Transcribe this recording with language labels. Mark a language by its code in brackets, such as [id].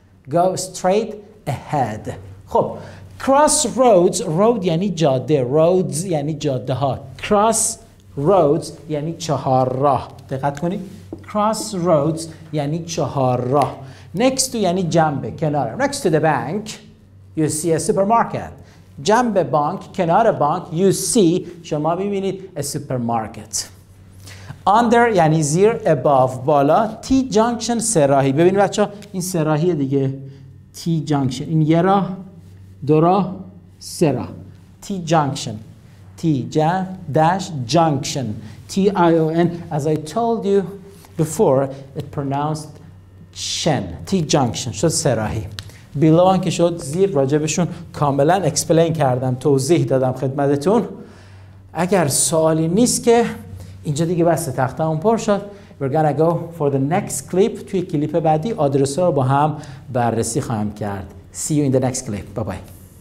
[en] Go straight ahead. [fa] خب. [en] Cross roads. [fa] Road یعنی جاده. Roads یعنی جاده ها. Cross roads یعنی چهار راه. دقت کنی. Cross roads یعنی چهار راه. Next to یعنی جنب کنار. [en] Next to the bank you see a supermarket. [fa] جنب بانک کنار بانک [en] you see [fa] شما ببینید [en] a supermarket. [fa] Under یعنی زیر above بالا. T junction سراحی. ببین بچه‌ها این سراحی دیگه. T junction این یه راه دو راه سه راه. [en] T junction. T dash junction. T I O N as I told you before it pronounced [fa] شن. تی جانکشن شد سراحی. بیلو آن که شد زیر. راجبشون کاملا اکسپلین کردم، توضیح دادم خدمتتون. اگر سوالی نیست که اینجا دیگه بس تختمون پر شد. [en] We're gonna go for the next clip. [fa] توی کلیپ بعدی آدرس ها رو با هم بررسی خواهم کرد. [en] See you in the next clip. Bye bye.